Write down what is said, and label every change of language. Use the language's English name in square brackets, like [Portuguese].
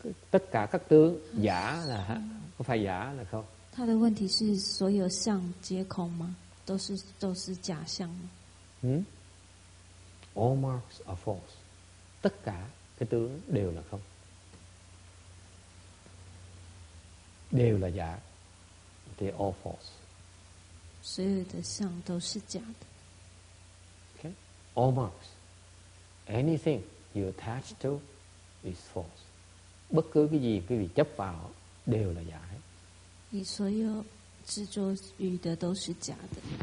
[Vietnamese] Tất cả các tướng giả là có phải giả là không? [Chinese] 他的问题是所有相皆空吗？都是假相吗？ [English] All marks are false. [Vietnamese] Tất cả cái tướng đều là không. Đều là giả. [English] They are all false. [Chinese] 所有的相都是假的。 [English] Okay. All marks. Anything you attach to is false. [Vietnamese] Bất cứ cái gì quý vị chấp vào đều là giả hết. [Chinese] 你所有执着于的都是假的。